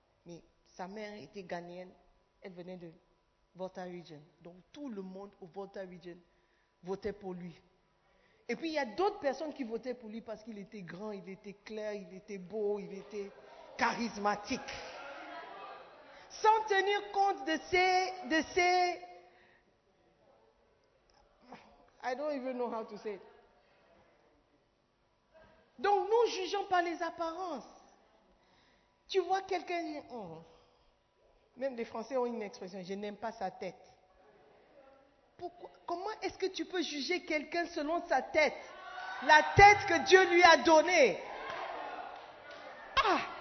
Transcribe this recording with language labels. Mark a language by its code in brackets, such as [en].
[fr] Mais sa mère était ghanéenne. Elle venait de Volta Region. Donc tout le monde au Volta Region votait pour lui. Et puis il y a d'autres personnes qui votaient pour lui parce qu'il était grand, il était clair, il était beau, il était charismatique. Sans tenir compte de ces [en] I don't even know how to say it. [fr] Donc nous jugeons par les apparences. Tu vois quelqu'un, même les Français ont une expression, je n'aime pas sa tête. Pourquoi? Comment est-ce que tu peux juger quelqu'un selon sa tête? La tête que Dieu lui a donnée. Ah!